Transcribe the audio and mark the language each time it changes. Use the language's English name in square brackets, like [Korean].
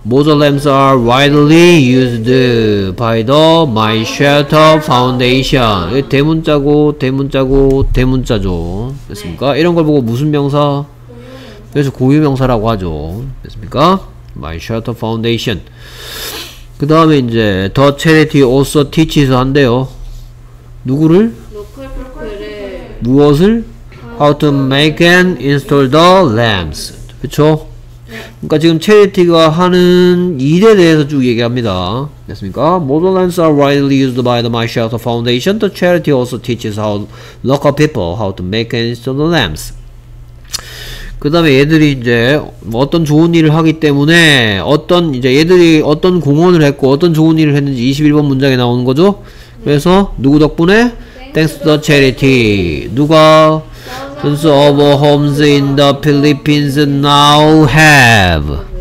[English] Model lamps are widely used by the My Shelter Foundation. [Korean] 이게 대문자고 대문자고 대문자죠. 됐습니까? 이런 걸 보고 무슨 명사? 그래서 고유명사라고 하죠. 됐습니까? My Shelter Foundation. 그 다음에 이제 [English] The Charity also teaches [Korean] 한대요. 누구를? [English] Local people. [Korean] 무엇을? [English] How to make and install the lamps. [Korean] 그쵸? 그니까 지금 체리티가 하는 일에 대해서 쭉 얘기합니다. 됐습니까? [English] Model lamps are widely used by the My Shelter Foundation. The charity also teaches how local people how to make and install the lamps. [Korean] 그 다음에 얘들이 이제 어떤 좋은 일을 하기 때문에 어떤 이제 얘들이 어떤 공헌을 했고 어떤 좋은 일을 했는지 21번 문장에 나오는 거죠? 그래서 누구 덕분에? [English] Thanks to the charity. [Korean] 누가? [English] Thousands of homes in the Philippines now have.